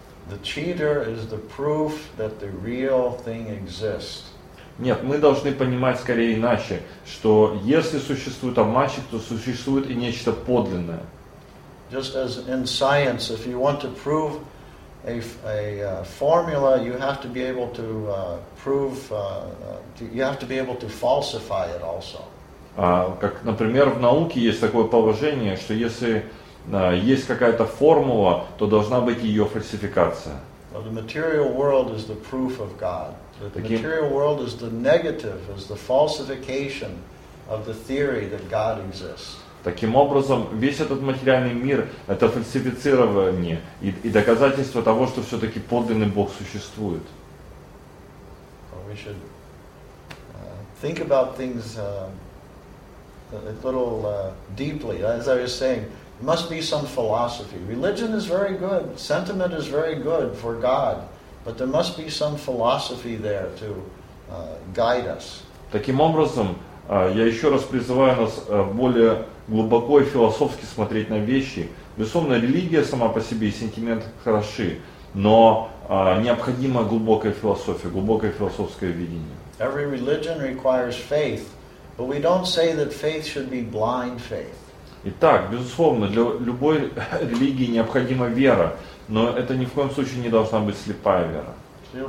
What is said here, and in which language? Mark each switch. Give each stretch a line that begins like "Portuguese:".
English: The cheater is the proof that the real thing exists.
Russian: Нет, мы должны понимать скорее иначе, что если существует обманщик, то существует и нечто подлинное.
English: Just as in science, if you want to prove a formula, you have to be able to prove, you have to be able to falsify it also.
Russian: Как, например, в науке есть такое положение, что если есть какая-то формула, то должна быть ее фальсификация.
English: Well, the material world is the proof of God. The material world is the negative, is the falsification of the theory that God exists.
Russian: Таким образом, весь этот материальный мир – это фальсифицирование и доказательство того, что все-таки подлинный Бог существует.
English: Well, we should think about things a little deeply. As I was saying, it must be some philosophy. Religion is very good. Sentiment is very good for God. But there must be some philosophy there to guide us.
Russian: Таким образом, я еще раз призываю нас более глубоко и философски смотреть на вещи. Безусловно, религия сама по себе и сентимент хороши, но необходима глубокая философия, глубокое философское видение.
English: Every religion requires faith, but we don't say that faith should be blind faith.
Russian: Итак, безусловно, для любой религии необходима вера. Но это ни в коем случае не должна быть слепая вера.